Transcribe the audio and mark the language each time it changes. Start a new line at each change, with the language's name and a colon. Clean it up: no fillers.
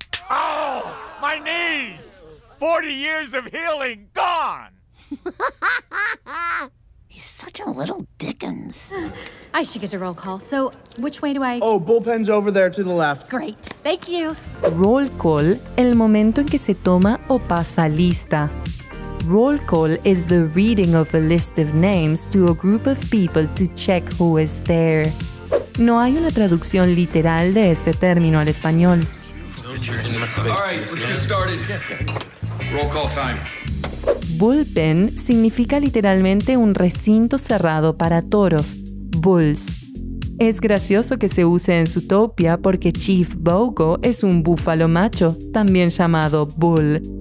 English: Oh, my knees! 40 years of healing gone! He's such a little Dickens. I should get a roll call. So, which way do I... Oh, bullpen's over there to the left. Great. Thank you.
Spanish: Roll call, el momento en que se toma o pasa lista.
English: Roll call is the reading of a list of names to a group of people to check who is there.
Spanish: No hay una traducción literal de este término al español.
English: All right, let's get started. Roll call time.
Spanish: Bullpen significa literalmente un recinto cerrado para toros, bulls. Es gracioso que se use en Zootopia porque Chief Bogo es un búfalo macho, también llamado bull.